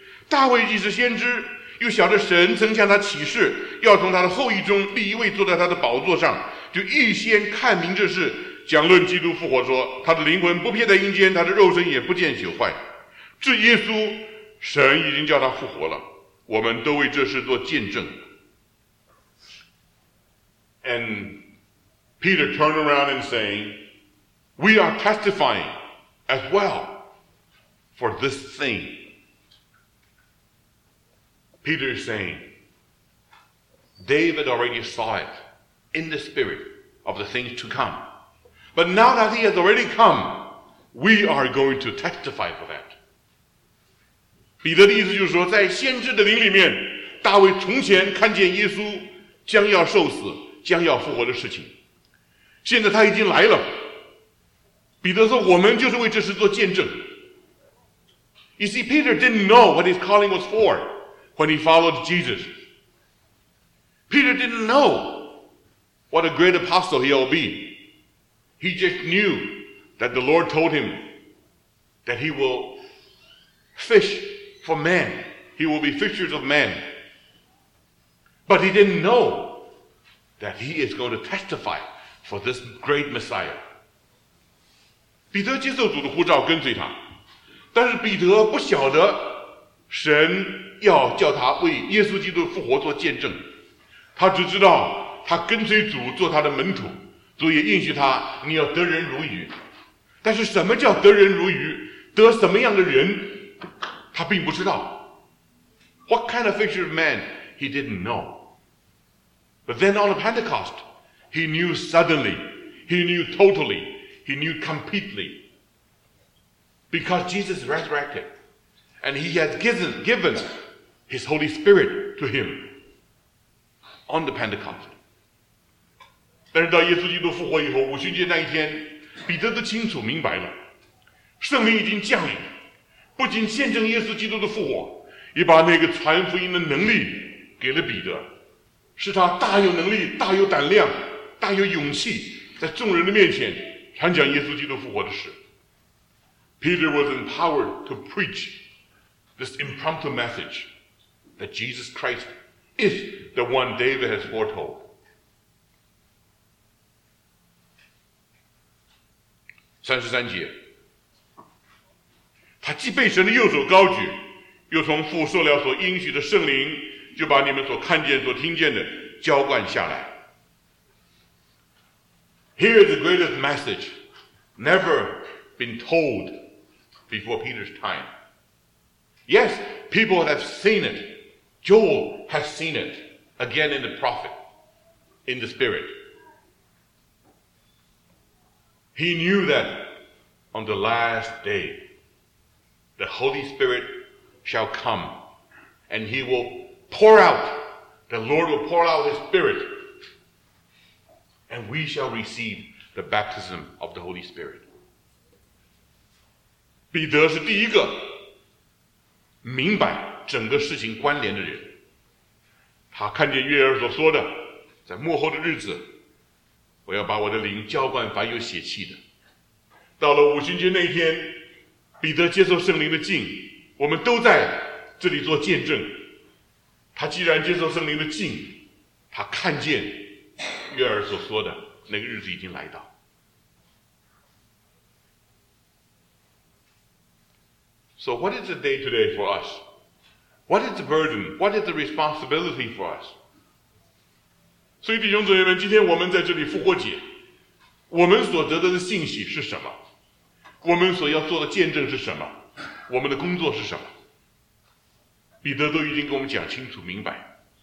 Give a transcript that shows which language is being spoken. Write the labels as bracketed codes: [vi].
[zh] 大卫既是先知，又晓得神曾向他启示要从他的后裔中立一位坐在他的宝座上，就预先看明这事，讲论基督复活，说他的灵魂不撇在阴间，他的肉身也不见朽坏。至耶稣，神已经叫他复活了，我们都为这事做见证。 [en] And Peter turned around and saying, we are testifying as well for this thing. Peter is saying, David already saw it in the spirit of the things to come. But now that he has already come, we are going to testify for that. [zh] 彼得的意思就是说，在先知的灵里面，大卫从前看见耶稣将要受死，将要复活的事情，现在他已经来了。彼得说，我们就是为这事做见证。 [en] You see, Peter didn't know what his calling was for when he followed Jesus. Peter didn't know what a great apostle he'll be. He just knew that the Lord told him that he will fish for men. He will be fishers of men. But he didn't know that he is going to testify for this great Messiah. [zh] 彼得接受主的呼召跟随他，但是彼得不晓得神要叫他为耶稣基督复活做见证，他只知道他跟随主做他的门徒，主也应许他你要得人如鱼。但是什么叫得人如鱼，得什么样的人，他并不知道。 [en] What kind of fisher man, he didn't know. But then on the Pentecost, he knew suddenly, he knew totally, he knew completely. Because Jesus resurrected, and he had given his Holy Spirit to him on the Pentecost. [zh] 但是到耶稣基督复活以后，五旬节那一天，彼得都清楚明白了，圣灵已经降临，不仅见证耶稣基督的复活，也把那个传福音的能力给了彼得，使他大有能力，大有胆量，大有勇气，在众人的面前传讲耶稣基督复活的事。 [en] Peter was empowered to preach this impromptu message that Jesus Christ is the one David has foretold. [zh] 三十三节，他既被神的右手高举，又从父受了所应许的圣灵，就把你们所看见所听见的浇灌下来。 [en] Here is the greatest message never been told before Peter's time. Yes, people have seen it. Joel has seen it again in the prophet, in the spirit. He knew that on the last day, the Holy Spirit shall come and he will pour out, the Lord will pour out his spirit. And we shall receive the baptism of the Holy Spirit. [zh] 彼得是第一个明白整个事情关联的人。他看见约珥所说的，在末后的日子，我要把我的灵浇灌凡有血气的。到了五旬节那天，彼得接受圣灵的浸，我们都在这里做见证。他既然接受圣灵的浸，他看见约珥所说的那个日子已经来到。 [en] So what is the day today for us? What is the burden? What is the responsibility for us? [zh] 所以弟兄姊妹们，今天我们在这里复活节，我们所得到的信息是什么？我们所要做的见证是什么？我们的工作是什么？彼得都已经跟我们讲清楚明白。